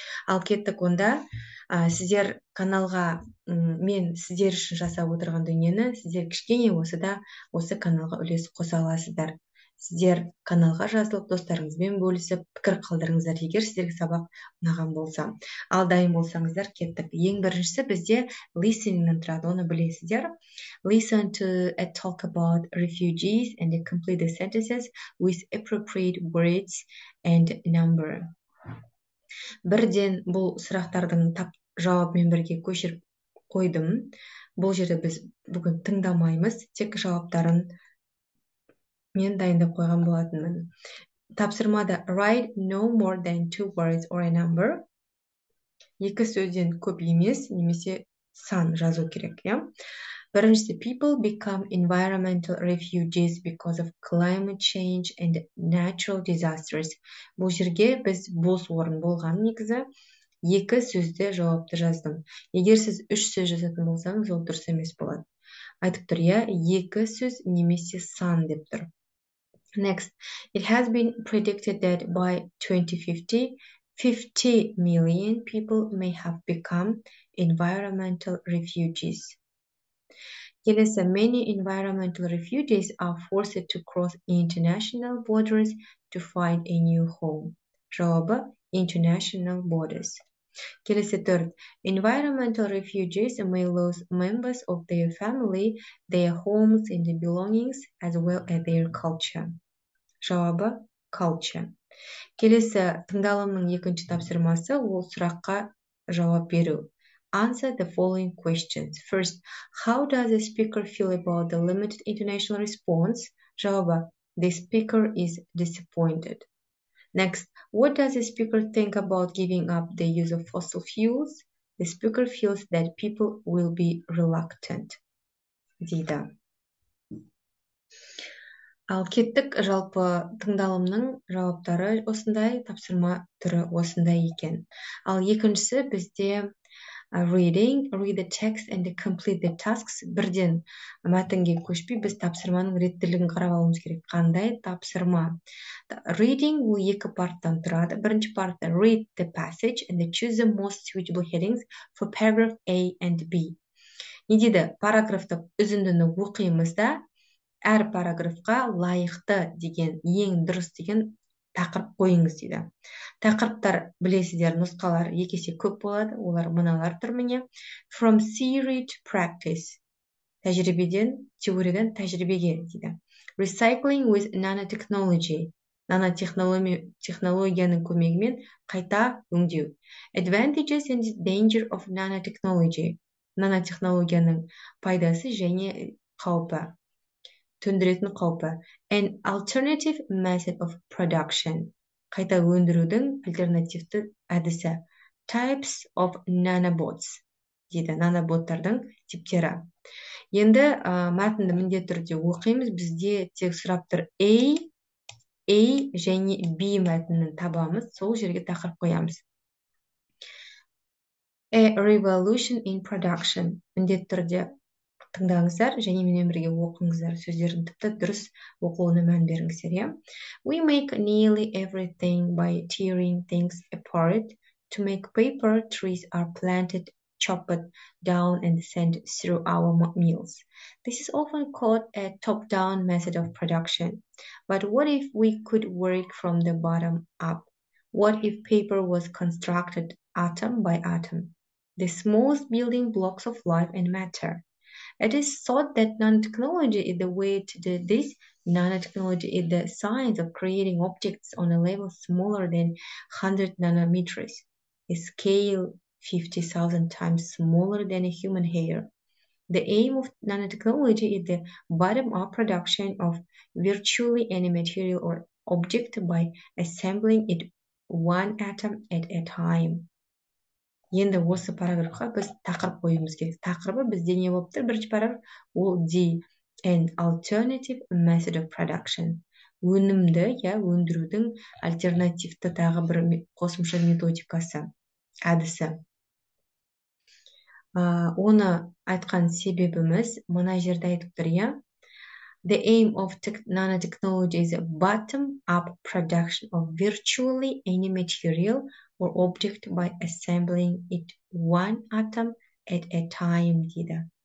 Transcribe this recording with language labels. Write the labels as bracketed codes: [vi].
[kk] Ал кеттік онда, сіздер каналға, мен сіздер үшін жасап отырған дүниені, сіздер кішкене осы да осы каналға үлес қоса аласыздар. Сіздер каналға жазылып, достарыңызбен бөлісіп, пікір қалдырыңыздар, егер сіздерге сабақ ұнаған болса. Ал дайын болсаңыздар, кеттік. Ең біріншісі бізде listening-нен тұрады, оны білесіздер. [en] Listen to a talk about refugees and complete the sentences with appropriate words and number. [kk] Бірден бұл сұрақтардың жауабымен бірге көшіріп қойдым. Бұл жерде біз бүгін тыңдамаймыз, тек жауаптарын мен дайындап қойған болатынмын. Тапсырмада [en] write no more than two words or a number. [kk] Екі сөзден көп емес, немесе сан жазу керек. Біріншісі, [en] people become environmental refugees because of climate change and natural disasters. [kk] Бұл жерге біз бос орын болған негізі. Екі сөзде жауапты жаздым. Егер сіз үш сөз жазатын болсаңыз, ол дұрыс емес болады. Айтып тұр, я, екі сөз немесе сан деп тұр. [en] Next, it has been predicted that by 2050, 50 million people may have become environmental refugees. [kk] Келесі, [en] many environmental refugees are forced to cross international borders to find a new home. [kk] Жауабы, [en] international borders. [kk] Келесі, төрт, [en] environmental refugees may lose members of their family, their homes and their belongings, as well as their culture. [kk] Жауабы, culture. Келесі, тыңдалымның екінші тапсырмасы, ол сұраққа жауап беру. [en] Answer the following questions. First, how does the speaker feel about the limited international response? [kk] Жауабы, [en] the speaker is disappointed. Next, what does the speaker think about giving up the use of fossil fuels? The speaker feels that people will be reluctant. [kk] Дейді. Ал кеттік, жалпы тыңдалымның жауаптары осындай, тапсырма түрі осындай екен. Ал екіншісі бізде [en] reading, read the text and complete the tasks. [kk] Бірден мәтінге көшпей, біз тапсырманың реттілігін қарап алуымыз керек. Қандай тапсырма? Reading ол екі парттан тұрады. Бірінші партта [en] read the passage and choose the most suitable headings for paragraph A and B. [kk] Не дейді? Параграфтық үзіндіні оқимыз да, әр параграфқа лайықты деген, ең дұрыс деген тақырып қойыңыз дейді. Тақырыптар, білесіздер, нұсқалар екесе көп болады. Олар мыналар түрмене. [en] From theory to practice. [kk] Тәжірибеден, теориядан тәжірибеге дейді. [en] Recycling with nanotechnology. [kk] Нанотехнологияның көмегімен қайта өңдеу. [en] Advantages and danger of nanotechnology. [kk] Нанотехнологияның пайдасы және қаупі. Төндіретін қаупі. [en] An alternative method of production. [kk] Қайта өндірудің альтернативті әдісі. [en] Types of nanobots. [kk] Дейді, наноботтардың типтері. Енді мәтінді міндет түрде оқимыз. Бізде тек сұраптыр A және B мәтінін табамыз. Сол жерге тақырып қоямыз. [en] A revolution in production. [kk] Міндет түрде тыңдаңыздар, және менен бірге оқыңыздар, сөздерін тіпті дұрыс оқуына мән беріңіздер. [en] We make nearly everything by tearing things apart. To make paper, trees are planted, chopped down and sent through our mills. This is often called a top-down method of production. But what if we could work from the bottom up? What if paper was constructed atom by atom? The smallest building blocks of life and matter. It is thought that nanotechnology is the way to do this. Nanotechnology is the science of creating objects on a level smaller than 100 nanometers, a scale 50,000 times smaller than a human hair. The aim of nanotechnology is the bottom-up production of virtually any material or object by assembling it one atom at a time. [kk] Енді осы параграфқа біз тақырып қоюымыз керек. Тақырыбы бізде не болып тұр? Бірінші параграф ол D, [en] an alternative method of production. [kk] Өнімді, я, өндірудің альтернативті тағы бір қосымша методикасы, әдісі. Оны айтқан себебіміз мына жерде айтып тұр, я. [en] The aim of nanotechnology is a bottom-up production of virtually any material or object by assembling it one atom at a time, [kk] дейді.